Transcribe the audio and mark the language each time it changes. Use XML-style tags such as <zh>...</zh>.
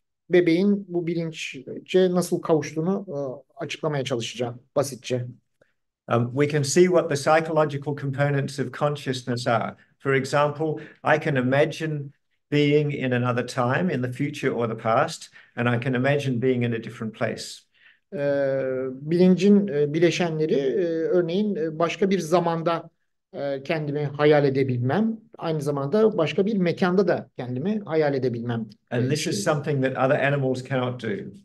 <tr>Bebeğin bu bilince nasıl kavuştuğunu açıklamaya çalışacağım basitçe.</tr> <en>We can see what the psychological components of consciousness are. For example, I can imagine being in another time, in the future or the past, and I can imagine being in a different place.</en> <tr>Bilincin bileşenleri, örneğin başka bir zamanda kendimi hayal edebilmem, aynı zamanda başka bir mekanda da kendimi hayal edebilmem.</tr> <en>And this is something that other animals cannot do.</en>